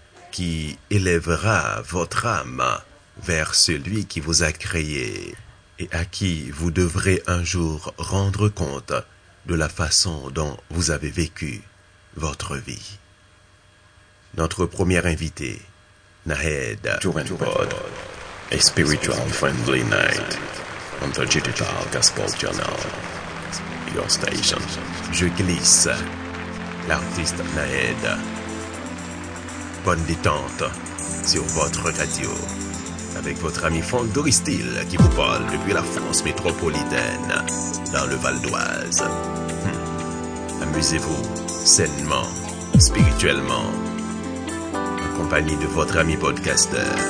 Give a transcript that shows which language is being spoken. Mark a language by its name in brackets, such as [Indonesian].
[French] qui élèvera votre âme vers celui qui vous a créé et à qui vous devrez un jour rendre compte de la façon dont vous avez vécu votre vie. Notre premier invité, Nahed, Jovenpod, [English] a spiritual friendly night on the Digital Gospel Channel, your station. [French] Je glisse, l'artiste Nahed. Bonne détente sur votre radio avec votre ami Franck Doristil qui vous parle depuis la France métropolitaine dans le Val d'Oise. Amusez-vous sainement, spirituellement, en compagnie de votre ami podcasteur.